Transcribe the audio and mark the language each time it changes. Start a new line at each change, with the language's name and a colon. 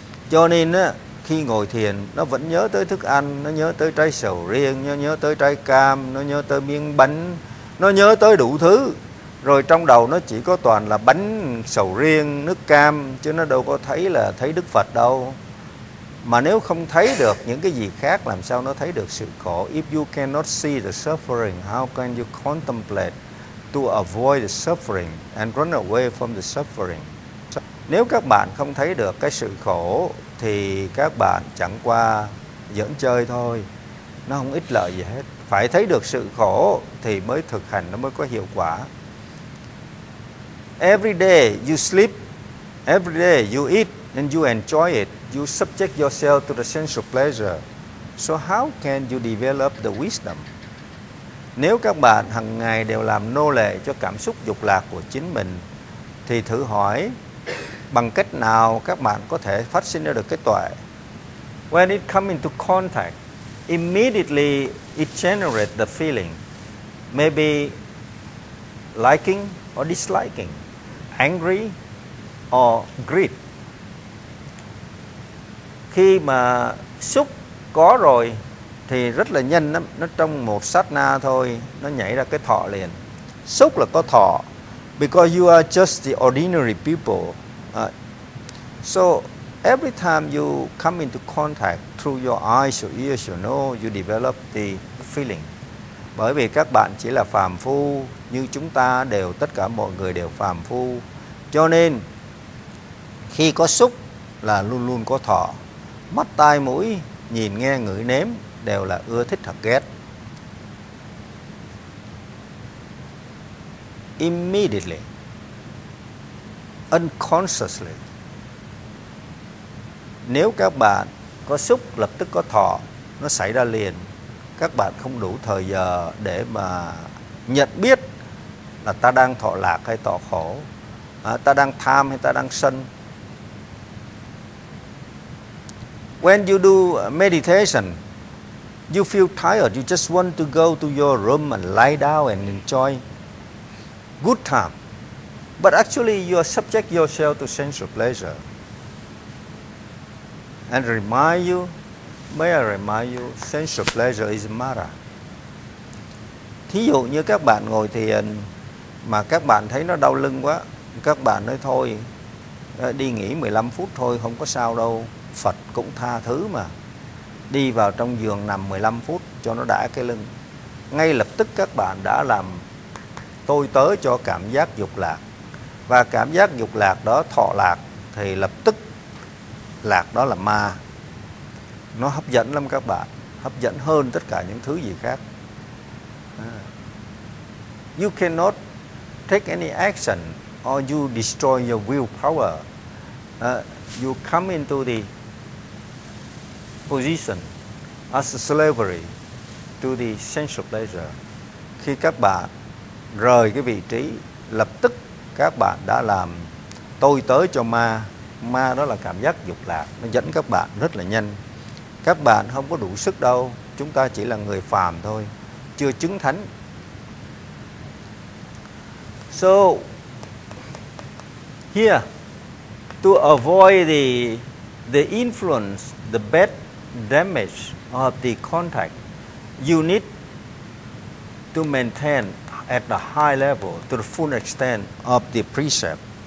Vietnamese: Cho nên á, khi ngồi thiền nó vẫn nhớ tới thức ăn, nó nhớ tới trái sầu riêng, nó nhớ tới trái cam, nó nhớ tới miếng bánh, nó nhớ tới đủ thứ. Rồi trong đầu nó chỉ có toàn là bánh sầu riêng, nước cam, chứ nó đâu có thấy là thấy Đức Phật đâu. Mà nếu không thấy được những cái gì khác, làm sao nó thấy được sự khổ?
English: If you cannot see the suffering, how can you contemplate to avoid the suffering and run away from the suffering?
Vietnamese: Nếu các bạn không thấy được cái sự khổ thì các bạn chẳng qua giỡn chơi thôi, nó không ích lợi gì hết. Phải thấy được sự khổ thì mới thực hành, nó mới có hiệu quả.
English: Every day you sleep, every day you eat and you enjoy it, you subject yourself to the sense of pleasure. So how can you develop the wisdom?
Vietnamese: Nếu các bạn hằng ngày đều làm nô lệ cho cảm xúc dục lạc của chính mình thì thử hỏi bằng cách nào các bạn có thể phát sinh ra được cái tuệ?
English: When it comes into contact, immediately it generates the feeling, maybe liking or disliking, angry or greed.
Vietnamese: Khi mà xúc có rồi thì rất là nhanh lắm, nó trong một sát na thôi nó nhảy ra cái thọ liền. Xúc là có thọ,
English: because you are just the ordinary people. So every time you come into contact through your eyes, your ears, your nose, you develop the feeling.
Vietnamese: Bởi vì các bạn chỉ là phàm phu, như chúng ta đều, tất cả mọi người đều phàm phu. Cho nên khi có xúc là luôn luôn có thọ. Mắt, tai, mũi, nhìn, nghe, ngửi, nếm đều là ưa thích hoặc ghét.
English: Immediately, unconsciously,
Vietnamese: nếu các bạn có xúc lập tức có thọ, nó xảy ra liền. Các bạn không đủ thời giờ để mà nhận biết là ta đang thọ lạc hay thọ khổ, ta đang tham hay ta đang sân.
English: When you do meditation, you feel tired, you just want to go to your room and lie down and enjoy good time. But actually, you are subject yourself to sensual pleasure. And remind you, may I remind you, sensual pleasure is Mara.
Vietnamese: Thí dụ như các bạn ngồi thiền mà các bạn thấy nó đau lưng quá, các bạn nói thôi, đi nghỉ 15 phút thôi, không có sao đâu, Phật cũng tha thứ mà. Đi vào trong giường nằm 15 phút cho nó đã cái lưng. Ngay lập tức các bạn đã làm tôi tớ cho cảm giác dục lạc. Và cảm giác dục lạc đó, thọ lạc, thì lập tức lạc đó là ma. Nó hấp dẫn lắm các bạn, hấp dẫn hơn tất cả những thứ gì khác.
English: You cannot take any action or you destroy your willpower. You come into the position as a slavery to the sensual pleasure.
Vietnamese: Khi các bạn rời cái vị trí, lập tức các bạn đã làm tôi tớ cho ma. Ma đó là cảm giác dục lạc, nó dẫn các bạn rất là nhanh. Các bạn không có đủ sức đâu, chúng ta chỉ là người phàm thôi, chưa chứng thánh.
English: So here, to avoid the influence, the bad damage of the contact, you need to maintain at the high level to the full extent of the precept.